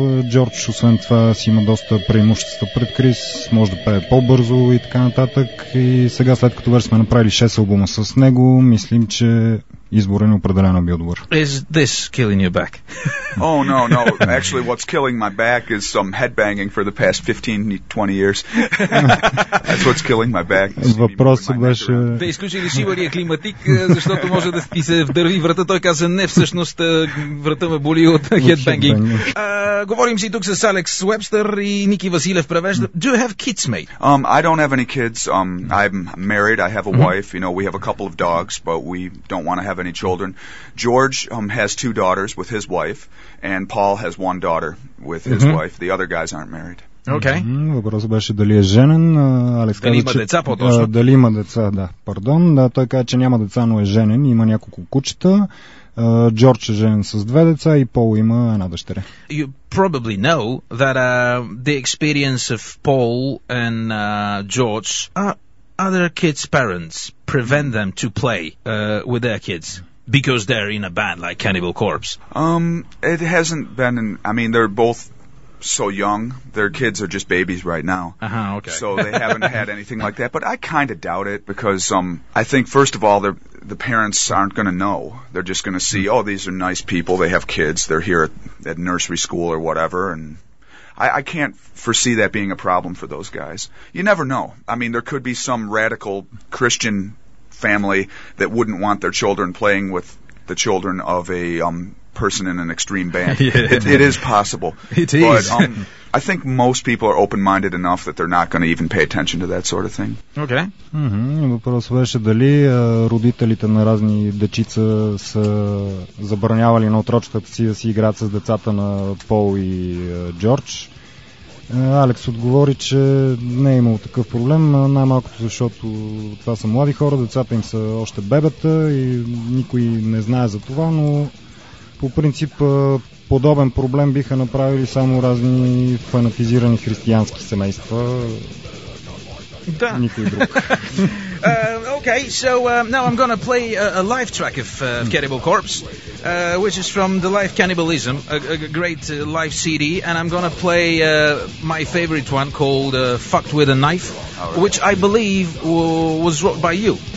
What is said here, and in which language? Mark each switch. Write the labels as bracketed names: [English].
[Bulgarian] Джордж, освен това, си има доста преимущества пред Крис, може да пее по-бързо и така нататък. И сега, след като вече сме направили 6 албума с него, мислим, че изборът е определено бил добър. [English] Is this killing your back? Oh, no, no. Actually, what's killing my back is some headbanging for the past 15-20 years. That's what's killing my back. [Bulgarian] Въпросът беше... Да, изключили сивария климатик, защото може да ти се вдърви врата. Той каза: не, всъщност врата ме боли от headbanging. Говорим си тук с Алекс Уебстър и Ники Василев превежда. [English] Do you have kids, mate? I don't have any kids. I'm married. I have a wife. You know, we have a couple of dogs, but we don't want to have any children. George has 2 daughters with his wife, and Paul has 1 daughter with his wife. The other guys aren't married. Okay. [Bulgarian] Въпросът беше дали е женен. Алекс каза, има деца, по-точно. Дали има деца, да. Пардон. Да, той каза, че няма деца, но е женен. Има няколко кучета. Джордж е женен с 2 деца и Пол има 1 дъщеря. [English] You probably know that the experience of Paul and George other kids' parents prevent them to play with their kids because they're in a band like Cannibal Corpse. It hasn't been. I mean, they're both so young. Their kids are just babies right now. Uh-huh, okay. So they haven't had anything like that. But I kind of doubt it because I think, first of all, the parents aren't going to know. They're just going to see, oh, these are nice people. They have kids. They're here at nursery school or whatever, and I can't foresee that being a problem for those guys. You never know. I mean, there could be some radical Christian family that wouldn't want their children playing with the children of a person in an extreme band. Yeah. It is possible. It is. But I think most people are open-minded enough that they're not going to even pay attention to that sort of thing. Okay. [Bulgarian] Въпрос беше дали родителите на разни дечица са забранявали на отрочетата си да си играят с децата на Пол и Джордж. Алекс отговори, че не е имал такъв проблем, най-малкото защото това са млади хора, децата им са още бебета и никой не знае за това, но по принцип подобен проблем биха направили само разни фанатизирани християнски семейства. Да. Никой друг. [English] Okay, so now I'm gonna play a live track of Cannibal Corpse, which is from the live Cannibalism, a great live CD, and I'm gonna play my favorite one called Fucked with a Knife, which I believe was wrote by you.